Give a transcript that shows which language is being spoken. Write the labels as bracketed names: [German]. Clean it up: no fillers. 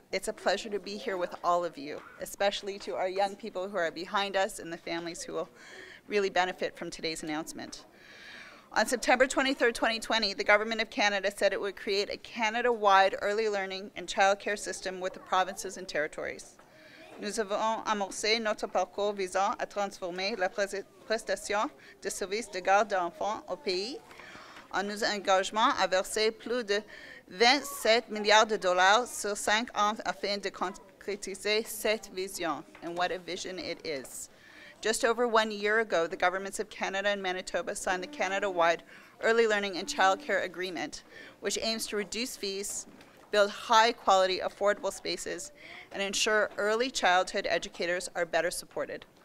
[English] It's a pleasure to be here with all of you, especially to our young people who are behind us and the families who will really benefit from today's announcement. On September 23, 2020, the Government of Canada said it would create a Canada-wide early learning and childcare system with the provinces and territories. [French] Nous avons amorcé notre parcours visant à transformer la prestation de services de garde d'enfants au pays en nous engageant à verser plus de 27 milliards de dollars sur 5 ans afin de concrétiser cette vision. [English] And what a vision it is. Just over 1 year ago, the governments of Canada and Manitoba signed the Canada-wide Early Learning and Child Care Agreement, which aims to reduce fees, build high-quality, affordable spaces, and ensure early childhood educators are better supported.